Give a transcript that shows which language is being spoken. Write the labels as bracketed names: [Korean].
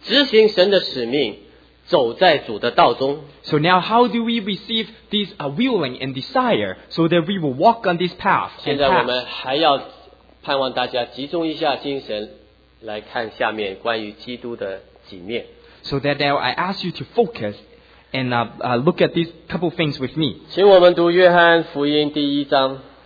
[Chinese] 但是一个人怎么样得着一个冲力往前愿意执行神的使命走在主的道中, [English] so now how do we receive this willing and desire so that we will walk on this path? [Chinese] 现在我们还要盼望大家集中一下精神来看下面关于基督的几面, [English] so that now I ask you to focus and look at these couple things with me. [Chinese] 请我们读约翰福音第一章,